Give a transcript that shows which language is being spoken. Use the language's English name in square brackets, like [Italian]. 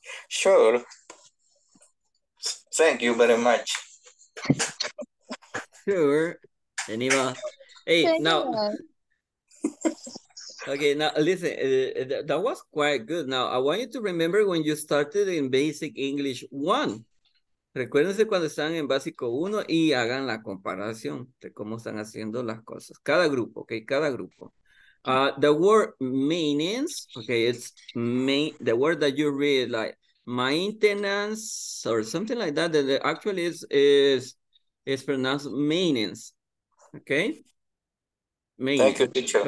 [English] Sure. Thank you very much. Sure. Anima. Hey, now, okay, now listen, that was quite good. Now, I want you to remember when you started in Basic English 1. [Spanish] Recuérdense cuando están en Básico 1 y hagan la comparación de cómo están haciendo las cosas. Cada grupo, okay, cada grupo. [English] The word maintenance, okay, it's the word that you read like maintenance or something like that, that actually is pronounced maintenance, okay? Thank you, teacher.